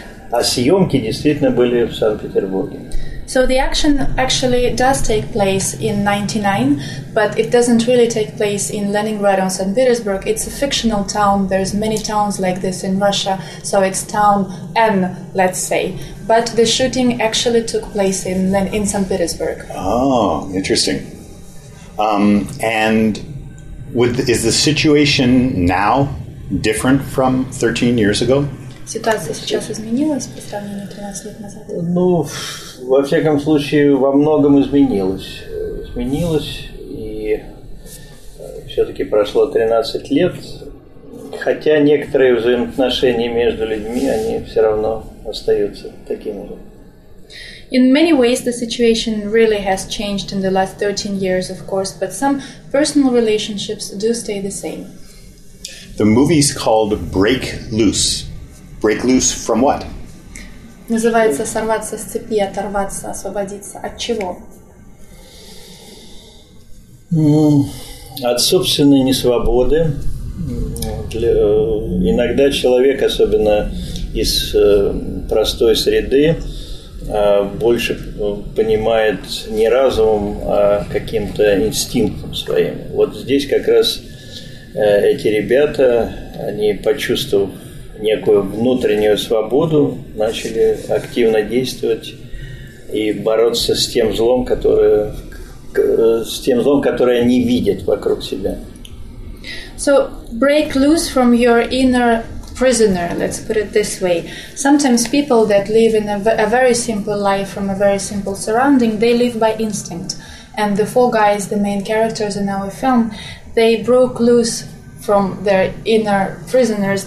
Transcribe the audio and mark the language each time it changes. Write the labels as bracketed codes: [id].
[ru] А съемки действительно были в Санкт-Петербурге. [en] So the action actually does take place in 99, but it doesn't really take place in Leningrad or St. Petersburg. It's a fictional town. There's many towns like this in Russia, so it's town N, let's say. But the shooting actually took place in St. Petersburg. Oh, interesting. And is the situation now different from 13 years ago? [ru] Ситуация сейчас изменилась по сравнению 13 лет назад? Ну, во всяком случае, во многом изменилось. Изменилось, и все-таки прошло 13 лет. Хотя некоторые взаимоотношения между людьми, они все равно остаются такими же. [en] In many ways, the situation really has changed in the last 13 years, of course, but some personal relationships do stay the same. The movie's called Break Loose. Break loose from what? [ru] Называется сорваться с цепи, оторваться, освободиться. От чего? От собственной несвободы. Иногда человек, особенно из простой среды, больше понимает не разумом, а каким-то инстинктом своим. Вот здесь как раз эти ребята, они почувствовали некую внутреннюю свободу, начали активно действовать и бороться с тем злом, которое они видят вокруг себя. [en] So, break loose from your inner prisoner, let's put it this way. Sometimes people that live in a very simple life from a very simple surrounding, they live by instinct. And the four guys, the main characters in our film, they broke loose from their inner prisoners.